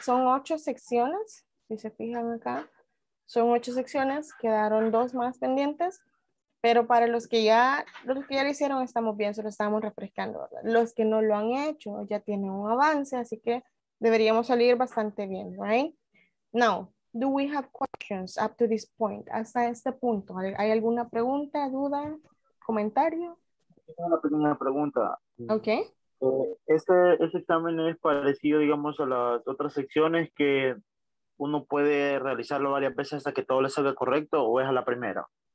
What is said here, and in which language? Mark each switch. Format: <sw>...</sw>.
<es>Son 8 secciones. Si se fijan acá, son 8 secciones. Quedaron 2 más pendientes. Pero para los que ya lo hicieron, estamos bien, solo estamos refrescando, ¿verdad? Los que no lo han hecho ya tienen un avance, así que deberíamos salir bastante bien, right?</es> <en>Now, do we have questions up to this point?</en> <es>Hasta este punto, ¿hay alguna pregunta, duda, comentario? Tengo una pequeña pregunta.</es> <en>Ok.</en> <es>Este examen es parecido, digamos, a las otras secciones que uno puede realizarlo varias veces hasta que todo le salga correcto o es a la primera.</es>